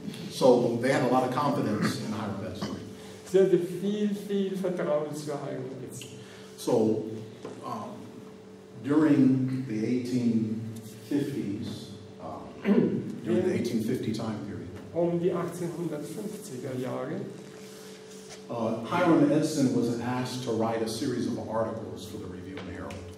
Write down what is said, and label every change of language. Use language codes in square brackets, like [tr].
[en] So they had a lot of confidence in Hiram Edison. [de] Sie hatten viel, viel Vertrauen zu Hiram Edison. [en] So during the 1850s, during the 1850 time period. [de] Die 1850er Jahre. [en] Hiram Edison was asked to write a series of articles for the Review and Herald.